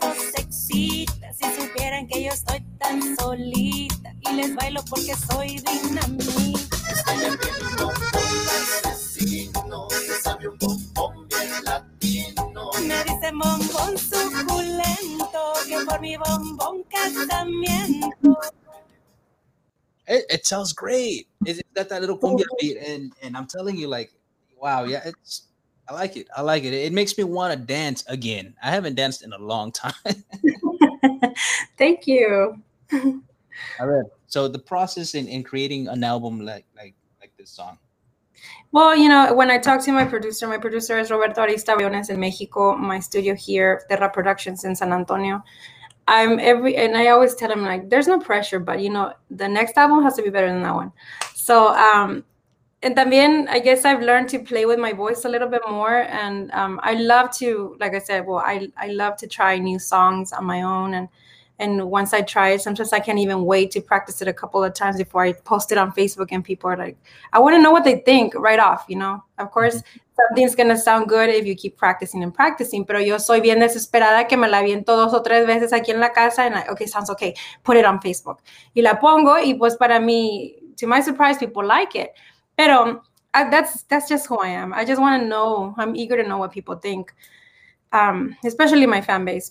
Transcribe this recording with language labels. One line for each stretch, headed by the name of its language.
Spanish: otros excitan. Si supieran que yo estoy tan solita y les bailo porque soy dinamita. Estoy en el bombón asesino, se sabe un bombón bien latino. Me dice bombón suculento, que por mi bombón casamiento.
English: It sounds great. It's got that little cumbia beat, and I'm telling you, like, wow, yeah, it's I like it. It makes me want to dance again. I haven't danced in a long time. Thank you. All right. So the process in creating an album like this song. Well, you know, when I talked to my producer is Roberto Arista Briones in Mexico, my studio here, Terra Productions in San Antonio. And I always tell him, like, there's no pressure, but, you know, the next album has to be better than that one. So, and también, I guess I've learned to play with my voice a little bit more. And I love to, like I said, well, I love to try new songs on my own. And once I try it, sometimes I can't even wait to practice it a couple of times before I post it on Facebook. And people are like, I want to know what they think right off, you know. Of course, something's going to sound good if you keep practicing and practicing.
Spanish: Pero yo soy bien desesperada que me la aviento dos o tres veces aquí en la casa.
English: And I, okay, sounds okay. Put it on Facebook. Y la pongo. Y pues para mí, to my surprise, people like it. Pero that's just who I am. I just want to know. I'm eager to know what people think. Especially my fan base.